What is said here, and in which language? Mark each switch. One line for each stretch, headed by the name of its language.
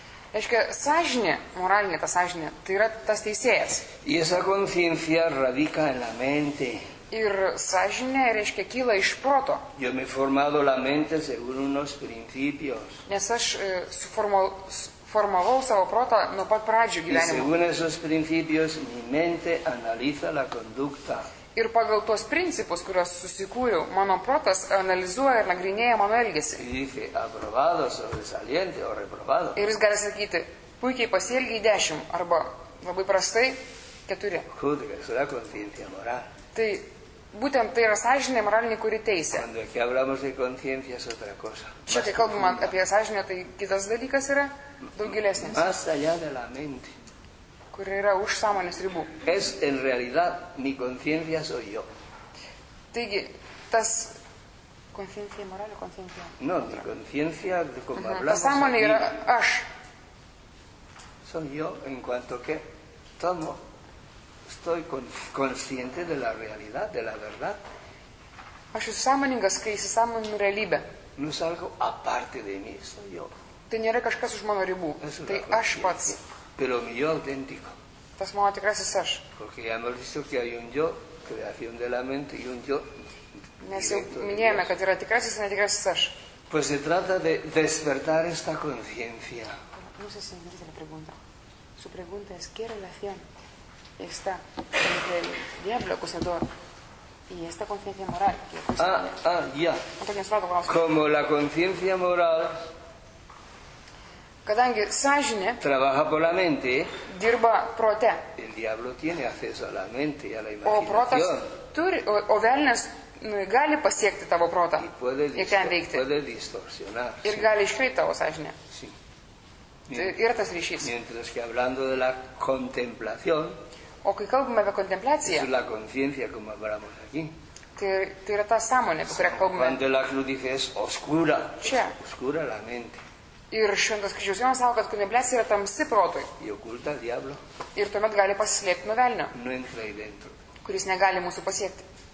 Lithuanian: Reiškia, sąžinė, moralinė ta sąžinė, tai yra tas teisėjas.
Spanish: Y esa conciencia radica en la mente.
Lithuanian: Ir sąžinė, reiškia, kyla iš proto.
Spanish: Yo me he formado la mente según unos principios.
Lithuanian: Nes aš formavau savo protą nuo pat pradžių gyvenimo.
Spanish: Y según esos principios, mi mente analiza la conducta.
Lithuanian: Ir pagal tuos principus, kuriuos susikūriau, mano protas analizuoja ir nagrinėja mano elgesį.
Spanish: Y dice, aprobado, sobresaliente, o reprobado.
Lithuanian: Ir jis gali sakyti, puikiai pasielgiai 10, arba labai prastai 4.
Spanish: Judica, eso da conciencia moral.
Lithuanian: Tai būtent tai yra sąžinė moralinė, kuri teisė. Čia, kai kalbama apie sąžinę, tai kitas dalykas yra daug gilesnis.
Spanish: Más allá de la mente.
Lithuanian: Kur yra už sąmonės ribų.
Spanish: Es en realidad mi conciencia soy yo.
Lithuanian: Taigi, tas
Spanish: conciencia moral o conciencia? No, mi conciencia, como hablamos.
Lithuanian: Ta sąmonė yra aš.
Spanish: Soy yo en cuanto que tomo. Estoy consciente de la realidad, de la verdad.
Lithuanian: Aš esu sąmoningas, kai įsisąmoninu realybę.
Spanish: No es algo aparte de mí, soy yo.
Lithuanian: Tai nėra kažkas už mano ribų. Tai aš pats.
Spanish: Pero mi yo auténtico.
Lithuanian: Tas mano tikrasis aš.
Spanish: Porque ya hemos visto que hay un yo, creación de la mente, y un yo.
Lithuanian: Mes jau minėjome, kad yra tikrasis ir netikrasis aš.
Spanish: Pues se trata de despertar esta conciencia. No sé si me dice la pregunta. Su pregunta es, ¿qué relación está entre el diablo acusador y esta conciencia moral? Ya. Como la conciencia moral,
Lithuanian: kadangi sąžinė
Spanish: trabaja por la mente,
Lithuanian: dirba prote.
Spanish: El diablo tiene acceso a la mente y a la imaginación.
Lithuanian: O velnės nu gali pasiekti tavo protą ir ten veikti. Ir gali iškreipti tavo sąžinę. Tai yra tas ryšys.
Spanish: Mientras que hablando de la contemplación,
Lithuanian: o kai kalbame apie kontempliaciją,
Spanish: es la conciencia, como hablamos aquí.
Lithuanian: Tai yra ta sąmonė, apie kurią kalbame.
Spanish: Cuando la cruz dice es oscura, oscura la mente.
Lithuanian: Ir šventas kryžiaus Jonas sako, kad kontempliacija yra tamsi protui.
Spanish: Y oculta al diablo.
Lithuanian: Ir tuomet gali pasislėpti nuo velnio.
Spanish: No entra ahí dentro.
Lithuanian: Kuris negali mūsų pasiekti.